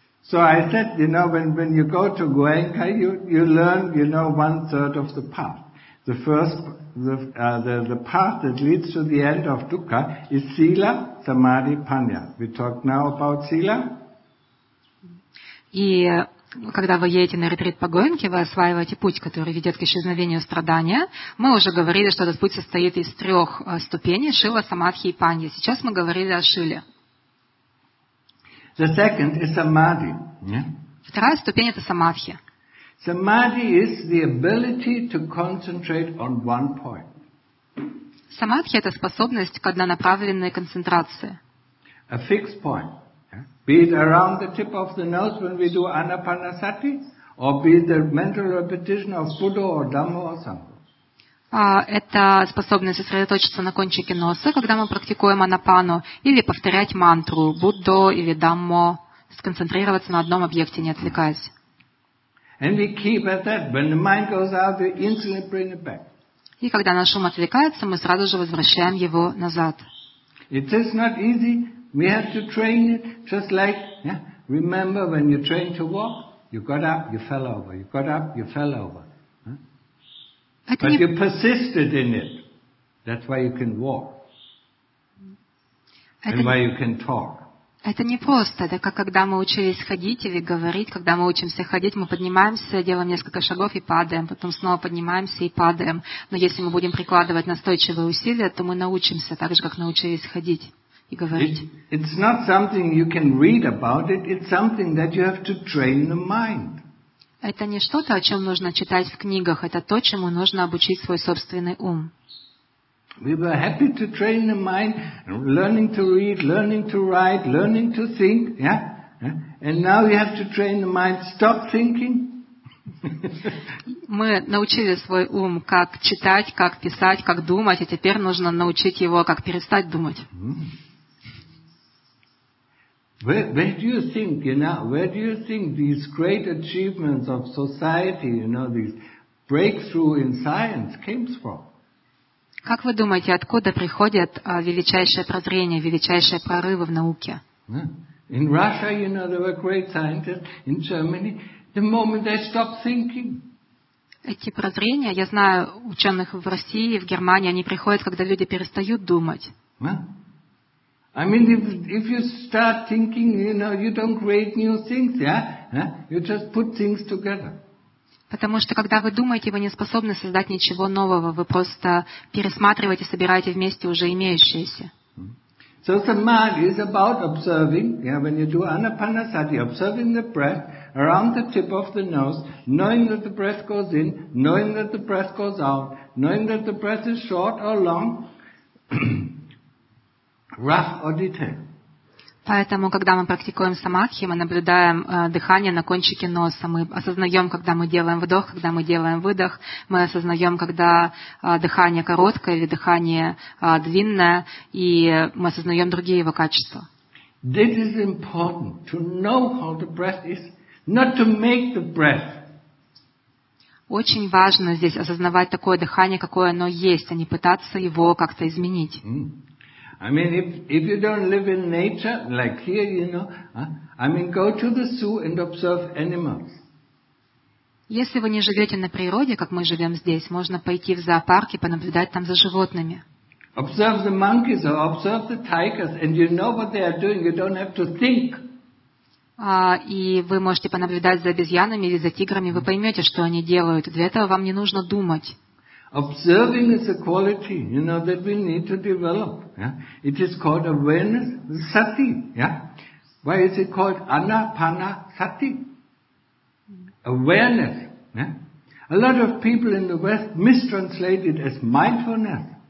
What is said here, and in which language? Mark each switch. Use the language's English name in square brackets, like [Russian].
[English] So I said, you know, when you go to Goenka, you learn, you know, one third of the path. The first, the path that leads to the end of dukkha is sila, samadhi, panya. We talk now about sila. [Russian] И когда вы едете на ретрит по Гоенке, вы осваиваете путь, который ведет к исчезновению страдания. Мы уже говорили, что этот путь состоит из трех ступеней: шила, самадхи и панья. Сейчас мы говорили о шиле. [English] The second is samadhi. [Russian] Вторая ступень — это самадхи. [English] Samadhi is the ability to concentrate on one point. [Russian] Самадхи — это способность к однонаправленной концентрации. [English] A fixed point. Yeah? Be it around the tip of the nose when we do anapanasati, or be it the mental repetition of Buddha or Dhamma or Sangha. [Russian] Это способность сосредоточиться на кончике носа, когда мы практикуем анапану, или повторять мантру Буддо или Даммо, сконцентрироваться на одном объекте, не отвлекаясь. И когда наш ум отвлекается, мы сразу же возвращаем его назад. [English] It is not easy. We have to train it just like, yeah? Remember when you train to walk, you got up, you fell over. You got up, you fell over. But you persisted in it. That's why you can walk. And why you can talk. [Russian] Это не просто. Это как когда мы учились ходить или говорить. Когда мы учимся ходить, мы поднимаемся, делаем несколько шагов и падаем. Потом снова поднимаемся и падаем. Но если мы будем прикладывать настойчивые усилия, то мы научимся так же, как научились ходить и говорить. [English] It's not something you can read about it. It's something that you have to train the mind. [Russian] Это не что-то, о чем нужно читать в книгах. Это то, чему нужно обучить свой собственный ум. [English] We were happy to train the mind, learning to read, learning to write, learning to think, yeah? And now you have to train the mind, stop thinking. [Russian] Мы научили свой ум, как читать, как писать, как думать, а теперь нужно научить его, как перестать думать. [English] Where do you think, you know, where do you think these great achievements of society, you know, these breakthrough in science came from? [Russian] Как вы думаете, откуда приходят величайшие прозрения, величайшие прорывы в науке? [English] In Russia, you know, there were great scientists. In Germany, the moment they stopped thinking. [Russian] Эти прозрения, я знаю, ученых в России, в Германии, они приходят, когда люди перестают думать. [English] I mean, if you start thinking, you know, you don't create new things, yeah? You just put things together. [Russian] Потому что когда вы думаете, вы не способны создать ничего нового, вы просто пересматриваете, собираете вместе уже имеющееся. [English] So samadhi is about observing, yeah, when you do anapanasati, observing the breath around the tip of the nose, knowing that the breath goes in, knowing that the breath goes out, knowing that the breath is short or long. Rough or detailed. [Russian] Поэтому, когда мы практикуем самадхи, мы наблюдаем дыхание на кончике носа. Мы осознаем, когда мы делаем вдох, когда мы делаем выдох. Мы осознаем, когда дыхание короткое или дыхание длинное. И мы осознаем другие его качества. [English] This is important to know how the breath is, not to make the breath. [Russian] Очень важно здесь осознавать такое дыхание, какое оно есть, а не пытаться его как-то изменить. [English] I mean, if you don't live in nature, like here, you know, I mean, go to the zoo and observe animals. [Russian] Если вы не живете на природе, как мы живем здесь, можно пойти в зоопарк и понаблюдать там за животными. [English] Observe the monkeys or observe the tigers, and you know what they are doing. You don't have to think. [Russian] И вы можете понаблюдать за обезьянами или за тиграми, вы поймете, что они делают. Для этого вам не нужно думать. [English] Observing is a quality, you know, that we need to develop. Yeah? It is called awareness, sati. Yeah? Why is it called anapanasati? Awareness. Yeah? A lot of people in the West mistranslate it as mindfulness.